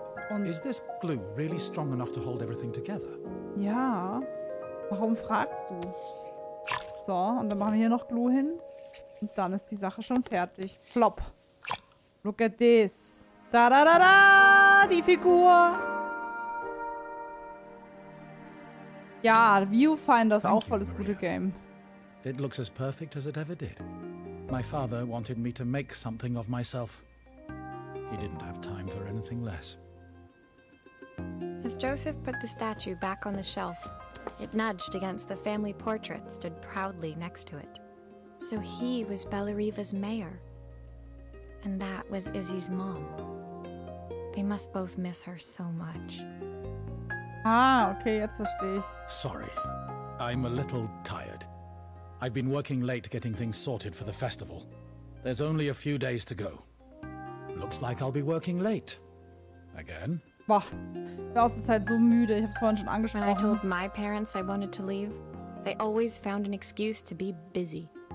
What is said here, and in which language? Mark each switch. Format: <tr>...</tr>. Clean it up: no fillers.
<de>Und</de> <en>is this glue really strong enough to hold everything together?</en> <de>Ja. Warum fragst du? So, und dann machen wir hier noch Glue hin. Und dann ist die Sache schon fertig. Flop.</de> <en>Look at this.</en> <de>Da-da-da-da! Die Figur! Ja, Viewfinder ist auch voll das gute Game.</de> <en>It looks as perfect as it ever did. My father wanted me to make something of myself. He didn't have time for anything less. As Joseph put the statue back on the shelf, it nudged against the family portrait stood proudly next to it. So he was Bellariva's mayor. And that was Izzy's mom. They must both miss her so much.</en> <de>Ah, okay, jetzt verstehe ich.</de> <en>Sorry, I'm a little tired. I've been working late getting things sorted for the festival. There's only a few days to go. Looks like I'll be working late. Again?</en> <de>Boah, ich bin aus der Zeit so müde. Ich hab's vorhin schon angesprochen.</de> <en>When I told my parents I wanted to leave, they always found an excuse to be busy.</en>